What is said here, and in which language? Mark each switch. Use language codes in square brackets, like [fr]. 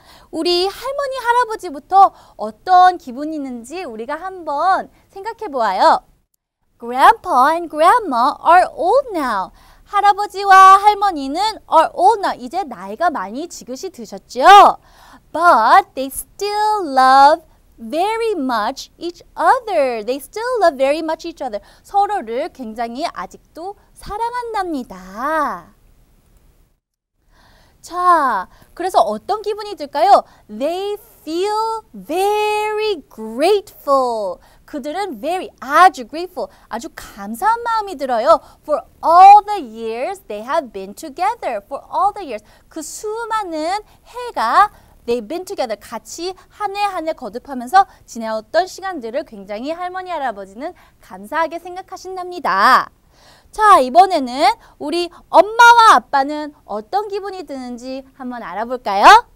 [ko] 우리 할머니, 할아버지부터 어떤 기분이 있는지 우리가 한번 생각해 보아요. [en] Grandpa and grandma are old now. [ko] 할아버지와 할머니는 [en] are old now. [ko] 이제 나이가 많이 지긋이 드셨죠? [en] But they still love very much each other. They still love very much each other. [ko] 서로를 굉장히 아직도 사랑한답니다. 자, 그래서 어떤 기분이 들까요? [en] They feel very grateful. [ko] 그들은 very, 아주 grateful, 아주 감사한 마음이 들어요. [en] For all the years they have been together. For all the years. [ko] 그 수많은 해가 [en] They've been together. [ko] 같이 한 해 한 해 거듭하면서 지내왔던 시간들을 굉장히 할머니, 할아버지는 감사하게 생각하신답니다. 자, 이번에는 우리 엄마와 아빠는 어떤 기분이 드는지 한번 알아볼까요?